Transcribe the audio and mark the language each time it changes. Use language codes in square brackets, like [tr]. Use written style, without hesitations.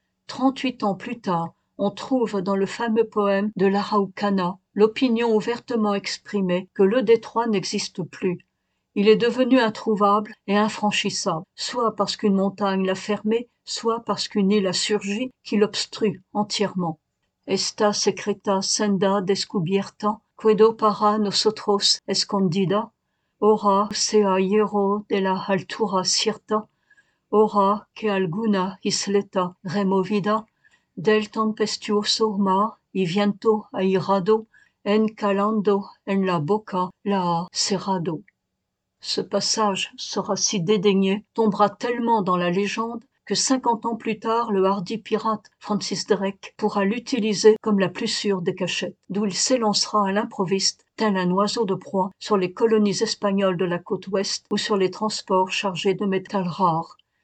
[fr] 38 ans plus tard, on trouve dans le fameux poème de l'Araucana l'opinion ouvertement exprimée que le détroit n'existe plus. Il est devenu introuvable et infranchissable, soit parce qu'une montagne l'a fermé, soit parce qu'une île a surgi qui l'obstrue entièrement. [es] Esta secreta senda descubierta, quedo para nosotros escondida, ora sea hierro de la altura cierta, ora que alguna isleta removida, del tempestuoso mar y viento airado en calando en la boca la cerrado. [fr] Ce passage sera si dédaigné, tombera tellement dans la légende, que 50 ans plus tard, le hardi pirate Francis Drake pourra l'utiliser comme la plus sûre des cachettes, d'où il s'élancera à l'improviste, tel un oiseau de proie, sur les colonies espagnoles de la côte ouest ou sur les transports chargés de métal rare.